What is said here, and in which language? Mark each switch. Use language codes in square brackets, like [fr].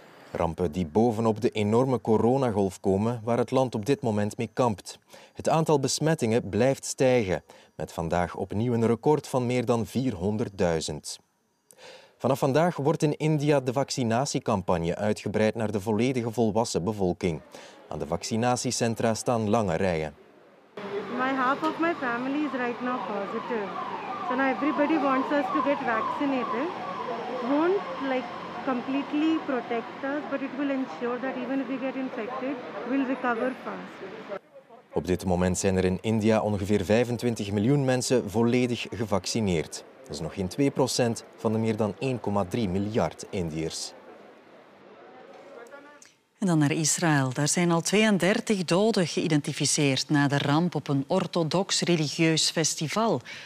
[nl] Rampen die bovenop de enorme coronagolf komen waar het land op dit moment mee kampt. Het aantal besmettingen blijft stijgen, met vandaag opnieuw een record van meer dan 400.000. Vanaf vandaag wordt in India de vaccinatiecampagne uitgebreid naar de volledige volwassen bevolking. Aan de vaccinatiecentra staan lange rijen. [en] My half of my family is right now positive. So now everybody wants us to get vaccinated. Won't like completely protect us, but it will ensure that even if we get infected, we'll recover fast. [nl] Op dit moment zijn er in India ongeveer 25 miljoen mensen volledig gevaccineerd. Dat is nog geen 2% van de meer dan 1,3 miljard Indiërs. En dan naar Israël. Daar zijn al 32 doden geïdentificeerd na de ramp op een orthodox religieus festival.